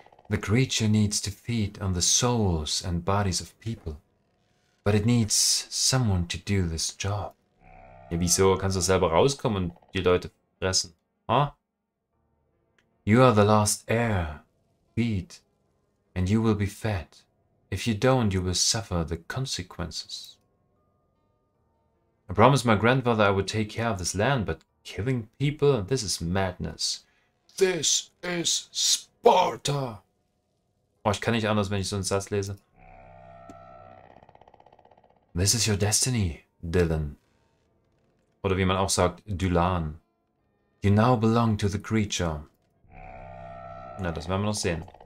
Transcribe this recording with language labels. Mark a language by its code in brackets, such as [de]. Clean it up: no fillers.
[en] The creature needs to feed on the souls and bodies of people. But it needs someone to do this job. [de] Ja, wieso? Kannst du selber rauskommen und die Leute fressen? [en] Huh? You are the last heir. Feed. And you will be fed. If you don't, you will suffer the consequences. I promised my grandfather I would take care of this land, but killing people? This is madness. This is Sparta! [de] Oh, ich kann nicht anders, wenn ich so einen Satz lese. [en] This is your destiny, [de] Dylan. Oder wie man auch sagt, Dylan. [en] You now belong to the creature. [de] Na, das werden wir noch sehen.